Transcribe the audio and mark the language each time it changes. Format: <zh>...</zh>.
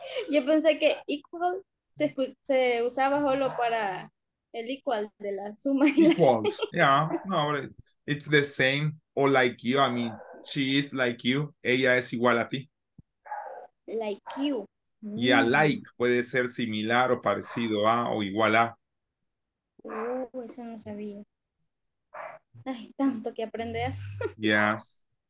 <es>Yo pensé que equal se usaba solo para el equal de la suma.</es> <en>Equals, yeah, no, but it's the same or like you, I mean. She is like you.</en> <es>Ella es igual a ti.</es> <en>Like you.</en> <es>Y a like puede ser similar o parecido a o igual a. Eso no sabía. Hay tanto que aprender.</es> <en>Yes.</en>